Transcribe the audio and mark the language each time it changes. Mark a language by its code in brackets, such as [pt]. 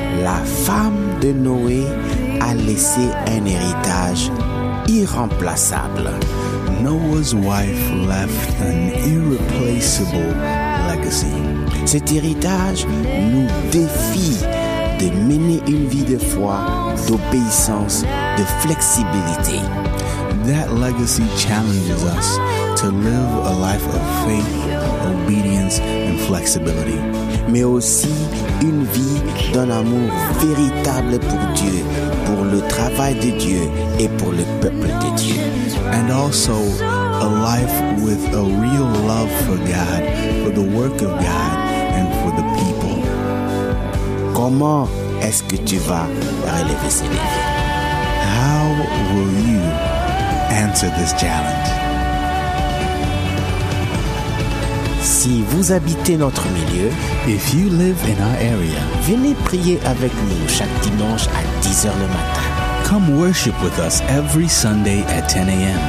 [fr] la femme de Noé a laissé un héritage irremplaçable. [en] Noah's wife left an irreplaceable legacy. [fr] Cet héritage nous défie de mener une vie de foi, d'obéissance, de flexibilité. [en] That legacy challenges us to live a life of faith, obedience, and flexibility. [fr] Mais aussi une vie d'un amour véritable pour Dieu, pour le travail de Dieu et pour le peuple de Dieu. [en] And also a life with a real love for God, for the work of God, and for the people. [fr] Comment est-ce que tu vas relever ces défis? [en] How will you answer this challenge? [fr] Si vous habitez notre milieu, [en] if you live in our area, [fr] venez prier avec nous chaque dimanche à 10h le matin. [en] Come worship with us every Sunday at 10 a.m.